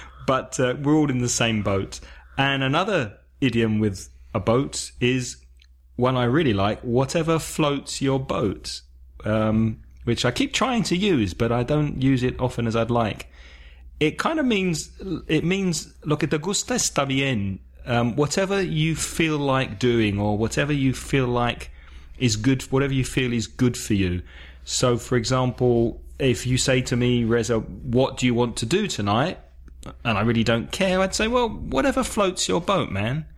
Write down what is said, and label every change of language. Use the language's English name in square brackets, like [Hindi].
[English] But we're all in the same boat. And another idiom with a boat is one I really like, whatever floats your boat. which I keep trying to use, but I don't use it often as I'd like. [Spanish] It kind of means, lo que te gusta está bien. [English] Whatever you feel like doing, or whatever you feel like is good, whatever you feel is good for you. So, for example, if you say to me, Reza, what do you want to do tonight? And I really don't care, I'd say, well, whatever floats your boat, man.